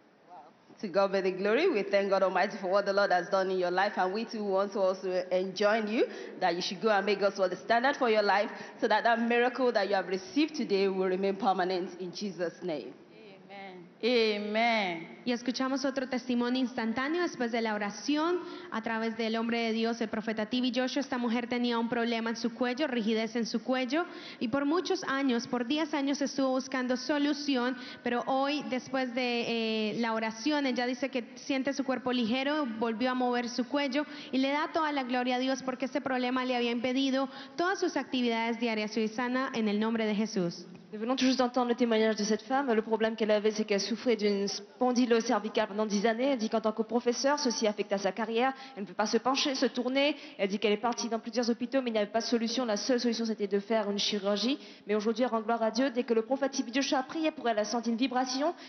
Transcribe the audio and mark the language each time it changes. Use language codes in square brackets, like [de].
[en] Wow. To God be the glory. We thank God Almighty for what the Lord has done in your life. And we too want to also enjoin you that you should go and make God's word the standard for your life, so that that miracle that you have received today will remain permanent in Jesus' name. [es] Amén. Y escuchamos otro testimonio instantáneo después de la oración a través del hombre de Dios, el profeta T.B. Joshua. Esta mujer tenía un problema en su cuello, rigidez en su cuello, y por muchos años, por 10 años estuvo buscando solución, pero hoy después de la oración ella dice que siente su cuerpo ligero, volvió a mover su cuello y le da toda la gloria a Dios porque ese problema le había impedido todas sus actividades diarias. Soy sana en el nombre de Jesús. [fr] Nous venons tout juste d'entendre le témoignage de cette femme. Le problème qu'elle avait, c'est qu'elle souffrait d'une spondylose cervicale pendant 10 années. Elle dit qu'en tant que professeur, ceci affecta sa carrière. Elle ne peut pas se pencher, se tourner. Elle dit qu'elle est partie dans plusieurs hôpitaux, mais il n'y avait pas de solution. La seule solution, c'était de faire une chirurgie. Mais aujourd'hui, elle rend gloire à Dieu. Dès que le prophète T.B. Joshua a prié pour elle, elle a senti une vibration.